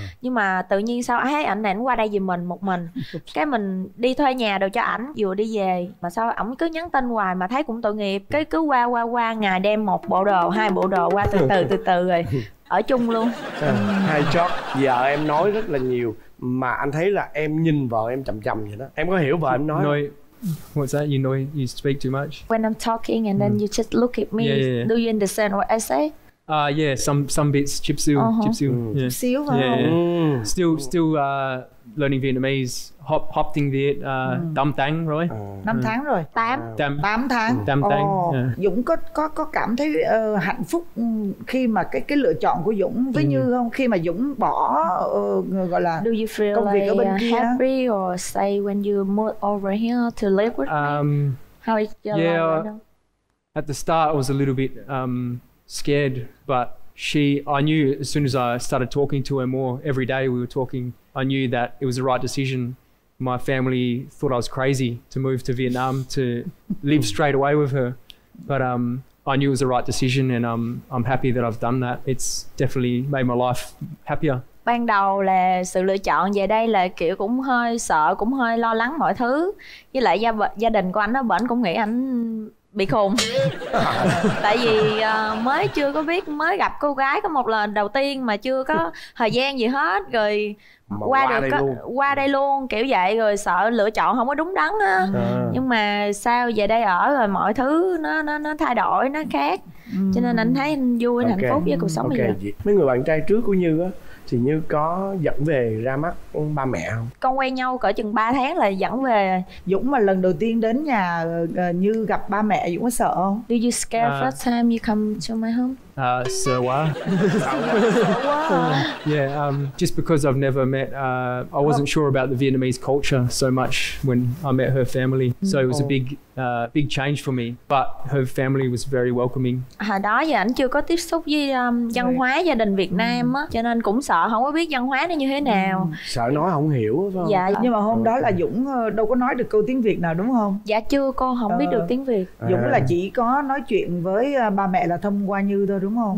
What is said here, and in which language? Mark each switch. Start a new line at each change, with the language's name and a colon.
Vietnamese: Nhưng mà tự nhiên sao ấy ảnh này ảnh qua đây vì mình một mình. Cái mình đi thuê nhà đồ cho ảnh vừa đi về mà sao ảnh cứ nhắn tin hoài mà thấy cũng tội nghiệp. Cái cứ qua ngày đem một bộ đồ, hai bộ đồ qua từ từ rồi ở chung luôn. Hay chót, vợ em nói rất là nhiều. Mà anh thấy là em nhìn vợ em chậm chậm vậy đó. Em có hiểu vợ em nói
English: no,
Vietnamese: không?
English: What's that? You know you speak too much? When I'm talking and then you just look at me. Yeah. Do you understand what I say? Yeah, some bits, chip seal. Chip seal, yeah. Chip seal, wow. Yeah, yeah. Still learning Vietnamese.
Vietnamese: Hop tiếng Việt, tám tháng rồi. Năm tháng rồi. Tám. Tám tháng. Tám tháng. Dũng có cảm thấy hạnh phúc khi mà cái lựa chọn của Dũng với Như không? Khi mà Dũng bỏ gọi là
English: do you feel
Vietnamese: công việc
English: like
Vietnamese: ở bên kia.
English: Happy or say when you move over here to live with me? How is your life? At the start, I was a little bit scared, but I knew as soon as I started talking to her more, every day we were talking, I knew that it was the right decision. My family thought I was crazy to move to Vietnam to live straight away with her, but I knew it was the right decision, and I'm happy that I've done that. It's definitely made my life happier.
Vietnamese: Ban đầu là sự lựa chọn về đây là kiểu cũng hơi sợ, cũng hơi lo lắng mọi thứ. Với lại gia đình của anh đó, bển cũng nghĩ anh bị khùng. Tại vì mới chưa có biết, mới gặp cô gái có một lần đầu tiên mà chưa có thời gian gì hết. Rồi qua đây luôn kiểu vậy, rồi sợ lựa chọn không có đúng đắn á. Nhưng mà sao về đây ở rồi mọi thứ nó thay đổi, nó khác. Cho nên anh thấy anh vui, anh hạnh phúc với cuộc sống bây giờ. Mấy người bạn trai trước của Như á, thì Như có dẫn về ra mắt ba mẹ không? Con quen nhau cỡ chừng 3 tháng là dẫn về. Dũng mà lần đầu tiên đến nhà Như gặp ba mẹ, Dũng có sợ không?
English: Do you scare first time you come to my home?
Vietnamese: Sợ quá.
English: Yeah, just because I've never met, I wasn't sure about the Vietnamese culture so much when I met her family. So it was a big change for me. But her family was very welcoming.
Vietnamese: Hồi đó giờ anh chưa có tiếp xúc với văn hóa gia đình Việt Nam á, cho nên cũng sợ không có biết văn hóa nó như thế nào. Sợ nói không hiểu phải không? Dạ. Nhưng mà hôm đó là Dũng đâu có nói được câu tiếng Việt nào đúng không? Dạ chưa, con không biết được tiếng Việt. Dũng là chỉ có nói chuyện với ba mẹ là thông qua Như thôi đúng không?